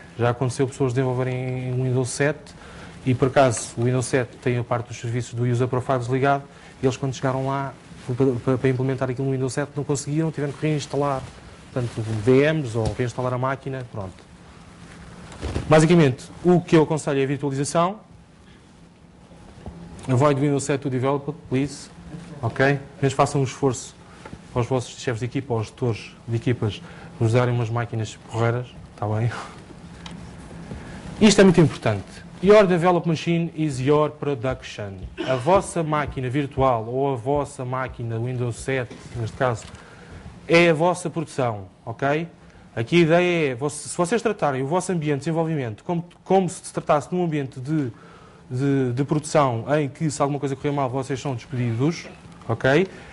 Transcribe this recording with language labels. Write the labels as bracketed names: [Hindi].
[Portuguese] Já aconteceu pessoas desenvolverem em Windows 7 e, por acaso, o Windows 7 tem a parte dos serviços do User Profile desligado e eles, quando chegaram lá para implementar aquilo no Windows 7, não conseguiram, tiveram que reinstalar tanto VMs ou reinstalar a máquina, pronto. Basicamente, o que eu aconselho é a virtualização. [English] Avoid Windows 7 to developer, please. Ok? [Portuguese] Mas façam um esforço aos vossos chefes de equipa, aos gestores de equipas, usarem umas máquinas porreiras, está bem? Isto é muito importante. [English] Your development machine is your production. [Portuguese] A vossa máquina virtual, ou a vossa máquina Windows 7, neste caso, é a vossa produção, ok? Aqui a ideia é, se vocês tratarem o vosso ambiente de desenvolvimento como se tratasse de um ambiente de produção em que, se alguma coisa correr mal, vocês são despedidos, ok?